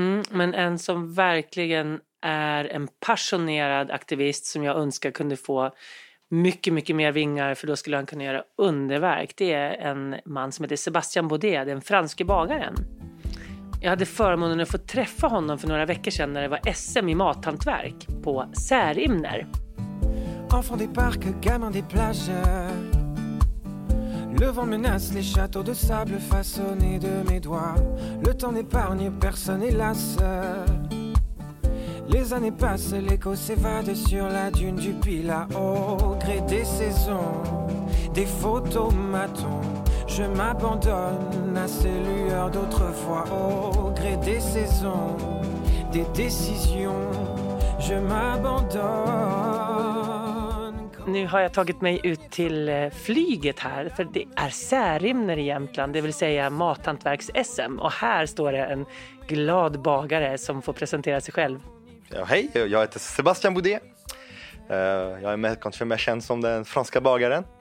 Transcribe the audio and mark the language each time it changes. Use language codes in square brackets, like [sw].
[sv] Men en som verkligen är en passionerad aktivist som jag önskar kunde få mycket, mycket mer vingar för då skulle han kunna göra underverk, det är en man som heter Sebastian Baudet, den franske bagaren. Jag hade förmånen att få träffa honom för några veckor sedan när det var SM i mathantverk på Särimner. [fr] Enfant des parcs, gamin des plages. Le vent menace les châteaux de sable façonnés de mes doigts. Le temps n'épargne personne hélas. Les années passent, l'écho s'évade sur la dune du Pila au gré des saisons. Des photos matons. Je m'abandonne à ces lueurs d'autrefois au gré des saisons, des décisions, je m'abandonne. [sv] Nu har jag tagit mig ut till flyget här, för det är Särimner i Jämtland, det vill säga mathantverks-SM. Och här står det en glad bagare som får presentera sig själv. Ja, hej, jag heter Sebastian Boudet. Jag är kanske mer känd som den franska bagaren.